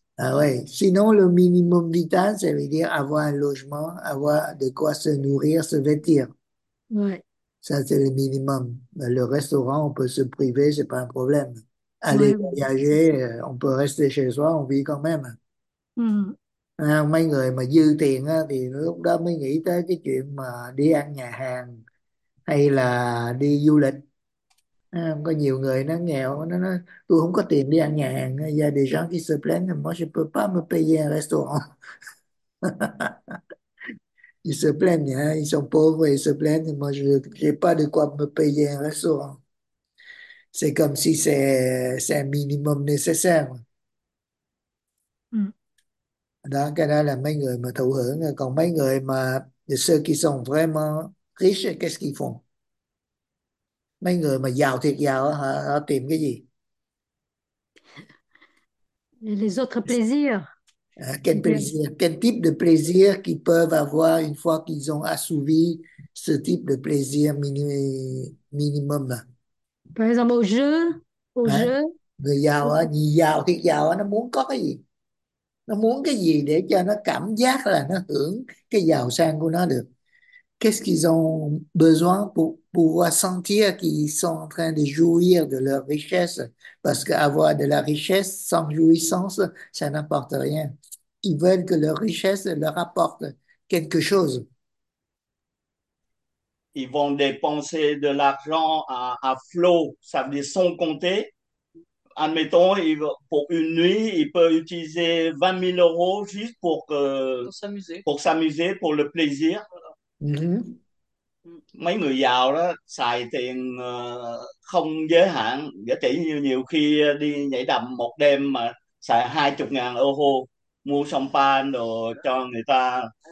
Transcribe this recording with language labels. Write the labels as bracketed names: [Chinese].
[French] ah ouais, sinon le minimum vital, ça veut dire avoir un logement, avoir de quoi se nourrir, se vêtir. Oui. Ça, c'est le minimum. Le restaurant, on peut se priver, c'est pas un problème. Ouais, Aller voyager, on peut rester chez soi, on vit quand même. [Vietnamese] À, mấy người mà dư tiền á, thì lúc đó mới nghĩ tới cái chuyện mà đi ăn nhà hàng hay là đi du lịch. À, có nhiều người nó nghèo, nó nói tôi không có tiền đi ăn nhà hàng, gia đình [French] gens qui se plaignent, moi je peux pas me payer un restaurant. Ils se plaignent, hein? Ils sont pauvres et ils se plaignent, moi je n'ai pas de quoi me payer un restaurant. C'est comme si c'est un minimum nécessaire. [Vietnamese] Đó, cái đó là mấy người mà thụ hưởng. Còn mấy người mà [French] ceux qui sont vraiment riches, qu'est-ce qu'ils font? [Vietnamese] Mấy người mà giàu thiệt giàu, họ tìm cái gì? [French] Les autres plaisirs, Quel plaisir, quel type de plaisir qu'ils peuvent avoir une fois qu'ils ont assouvi ce type de plaisir minimum? par exemple au jeu, Hein? [Vietnamese] Người giàu á, người giàu thiệt giàu nó muốn có cái gì? Nó muốn cái gì để cho nó cảm giác là nó hưởng cái giàu sang của nó được? [French] Qu'est-ce qu'ils ont besoin pour pouvoir sentir qu'ils sont en train de jouir de leur richesse? Parce qu'avoir de la richesse sans jouissance, ça n'apporte rien. Ils veulent que leur richesse leur apporte quelque chose. ils vont dépenser de l'argent à flot, ça veut dire sans compter. Admettons, pour une nuit, ils peuvent utiliser 20 000 euros juste S'amuser. pour s'amuser, pour le plaisir. [Vietnamese] Mấy người giàu đó xài tiền không giới hạn, giá trị như nhiều khi đi nhảy đầm một đêm mà xài 20.000 euro mua champagne đồ cho người ta.